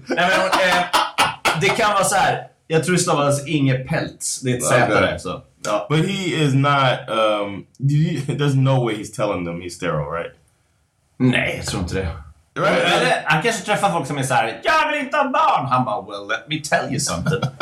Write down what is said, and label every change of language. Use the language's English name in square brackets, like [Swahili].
[Swedish] Nej, men, det kan vara så här. Jag tror det stavades Inge Pels. Det är ett sätare, så. [English] But he is not there's no way he's telling them he's sterile, right? [Swedish] Nej, jag tror inte det. Eller, han kanske träffar folk som är såhär, jag vill inte ha barn. Han bara, [English] well, let me tell you something.